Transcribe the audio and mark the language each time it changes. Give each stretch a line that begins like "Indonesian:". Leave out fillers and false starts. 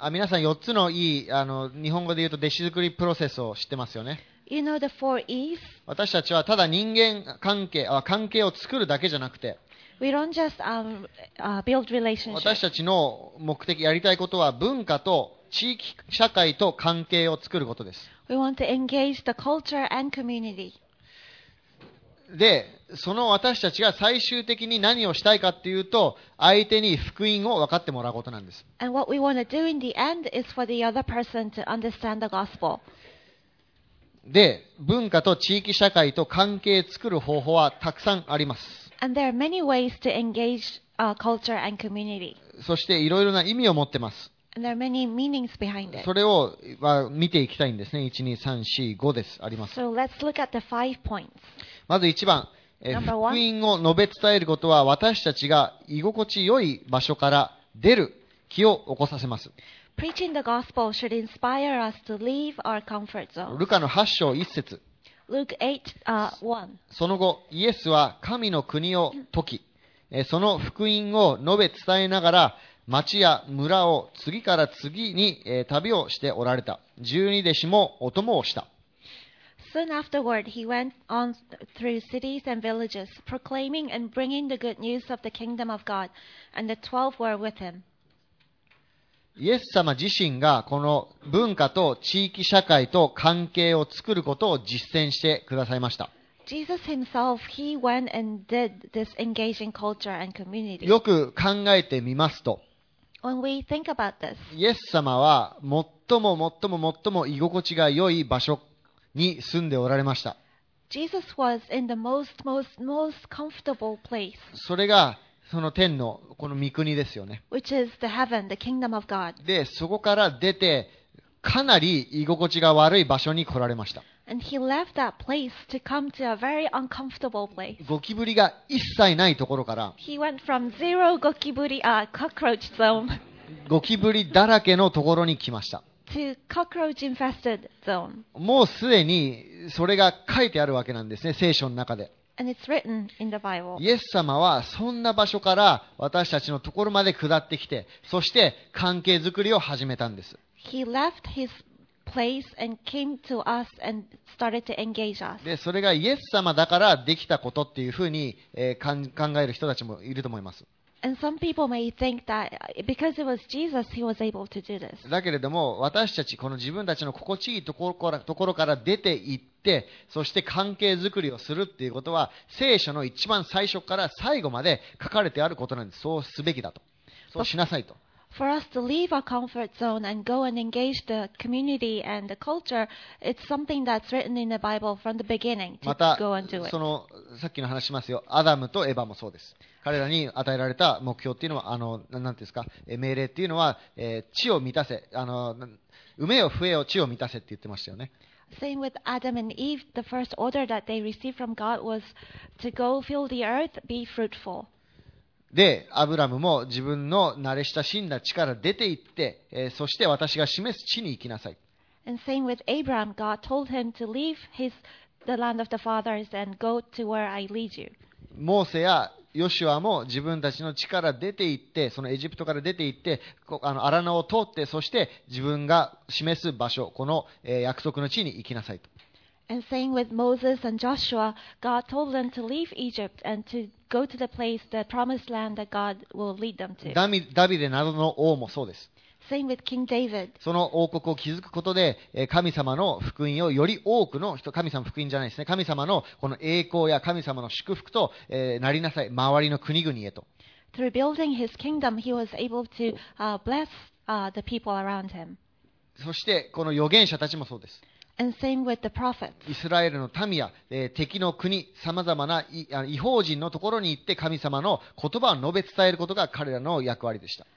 Japanese: 皆さん4つのE、日本語で言うと弟子作りプロセスを知ってますよね。
English: You know the four E's?
Japanese: 私たちはただ人間関係、関係を作るだけじゃなくて、
English: We don't just, build relationships.
Japanese: 私たちの目的、やりたいことは文化と地域社会と関係を作ることです。
English: We want to engage the culture and community.
Japanese: で、その私たちが最終的に何をしたいかっていうと、相手に福音を分かってもらうことなんです。
English: And what we want to do in the end is for the other person to understand the gospel.
Japanese: で、文化と地域社会と関係を作る方法はたくさんあります。
English: And there are many ways to engage, culture and community.
Japanese: そしていろいろな意味を持ってます。
English: And there are many meanings behind it.
Japanese: それを、見ていきたいんですね。 1、2、3、4、5です。あります。
English: So let's look at the five points.
Japanese: まず1番、福音を述べ伝えることは私たちが居心地よい場所から出る気を起こさせます。
English: Preaching the gospel should inspire us to leave our comfort zone.
Japanese: ルカの8章1節。
English: Luke 8, 1.
Japanese: その後、イエスは神の国を説き、その福音を述べ伝えながら、町や村を次から次に旅をしておられた。十二弟子もお供をした。
English: Soon afterward, he went on through cities and villages, proclaiming and bringing the good news of the kingdom of God, and the twelve were with him.
Japanese: イエス様自身がこの文化と地域社会と関係を作ることを実践してくださいました。
English: Jesus himself, he went and did this engaging culture and community.
Japanese: よく考えてみますと、
English: When we think about this,
Japanese: イエス様は最も最も最も居心地が良い場所に住んでおられました。
English: Jesus was in the most, most, most comfortable place.
Japanese: それがその天のこの御国ですよね。
English: Which is the heaven, the kingdom of God.
Japanese: で、そこから出てかなり居心地が悪い場所に来られました。
English: And he left that place to come to a very uncomfortable place.
Japanese: ゴキブリが一切ないところから。
English: He went from zero ゴキブリ、cockroach zone.
Japanese: ゴキブリだらけのところに来ました。
English: To cockroach infested zone.
Japanese: もうすでにそれが書いてあるわけなんですね、聖書の中で。
English: And it's written in the Bible.
Japanese: イエス様はそんな場所から私たちのところまで下ってきて、そして関係づくりを始めたんです。
English: He left his place and came to us and started to engage us.
Japanese: で、それがイエス様だからできたことっていうふうに、考える人たちもいると思います。
English: And some people may think that because it was Jesus, he was able to do this.
Japanese: だけれども、私たちこの自分たちの心地いいところから出て行って、そして関係づくりをするっていうことは、聖書の一番最初から最後まで書かれてあることなんです。そうすべきだと。そうしなさいと。
English: For us to leave our comfort zone and go and engage the community and the culture, it's something that's written in the Bible from the beginning to go and do it.
Japanese: またそのさっきの話しますよ。アダムとエヴァもそうです。彼らに与えられた目標っていうのは命令っていうのは、地を満たせ、埋めよ増えよ地を満たせって言ってましたよね。
English: Same with Adam and Eve. The first order that they received from God was to go fill the earth, be fruitful.
Japanese: で、アブラムも自分の慣れ親しんだ地から出て行って、そして私が示す地に行きなさい。
English: And same with Abraham, God told him to leave his, the land of the fathers and go to where I lead you.
Japanese: モーセやヨシュアも自分たちの地から出て行って、そのエジプトから出て行って、アラナを通って、そして自分が示す場所、この、約束の地に行きなさいと。
English: And same with Moses and Joshua, God told them to leave Egypt and to go to the place, the promised land that God will lead them to.
Japanese: ダビデなどの王もそうです。
English: Same with King David.
Japanese: その王国を築くことで、神様の福音をより多くの人、神様福音じゃないですね。神様のこの栄光や神様の祝福と、なりなさい、周りの国々へと。
English: Through building his kingdom, he was able to bless the people around him.
Japanese: そしてこの預言者たちもそうです。
English: And same with the prophets.
Japanese: イスラエルの民や、敵の国、さまざまな異邦人のところに行って神様の言葉を述べ伝えることが彼らの役割でした。